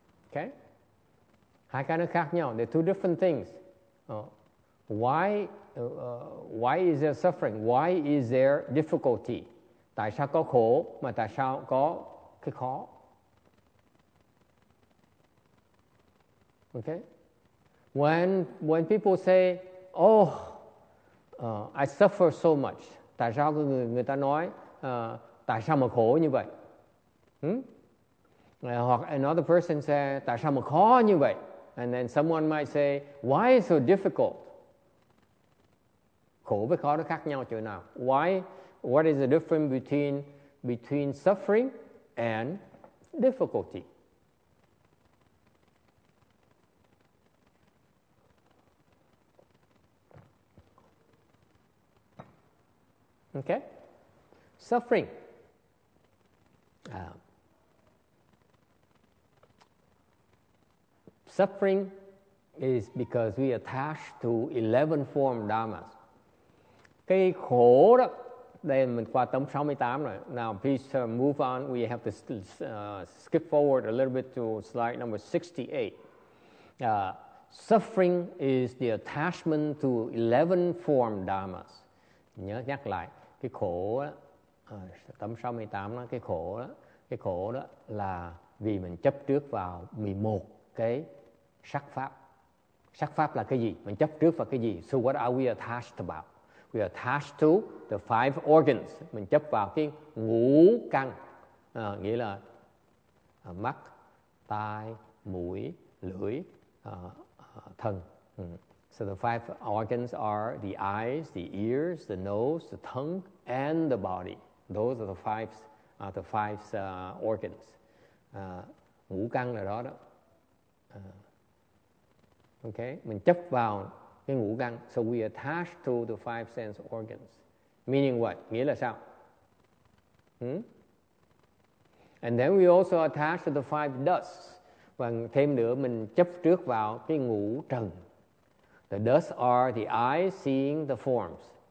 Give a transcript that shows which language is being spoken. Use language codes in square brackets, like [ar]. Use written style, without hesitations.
[vi] Okay? Hai cái nó khác nhau. [en] They're two different things. Why is there suffering? Why is there difficulty? [vi] Tại sao có khổ mà tại sao có cái khó? [en] Okay? When people say, "Oh, I suffer so much," [vi] tại sao người ta nói tại sao mà khổ như vậy? Hoặc [en] another person say, [vi] "Tại sao mà khó như vậy?" [en] And then someone might say, "Why so difficult?" [vi] Khổ với khó nó khác nhau chỗ nào? [en] Why? What is the difference between suffering and difficulty? Okay, suffering. Suffering is because we attach to 11 form dharmas. [vi] Cái khổ đó, đây mình qua tấm 68 rồi. [en] Now please move on. We have to skip forward a little bit to slide number 68. Suffering is the attachment to 11 form dharmas. [vi] Nhắc lại. Cái khổ đó, tấm 68 nó cái khổ đó là vì mình chấp trước vào 11 cái sắc pháp. Sắc pháp là cái gì? Mình chấp trước vào cái gì? [en] So what are we attached about? We are attached to the five organs. [vi] Mình chấp vào cái ngũ căn. Nghĩa là mắt, tai, mũi, lưỡi, thân. [en] So the five organs are the eyes, the ears, the nose, the tongue, and the body. Those are the five organs. [vi] Ngũ căn là đó đó. Okay, mình chấp vào cái ngũ căn. [en] So we attach to the five sense organs. Meaning what? [vi] Nghĩa là sao? [en] And then we also attach to the five dusts. [vi] Và thêm nữa mình chấp trước vào cái ngũ trần. [en] The dust are the eyes seeing the forms.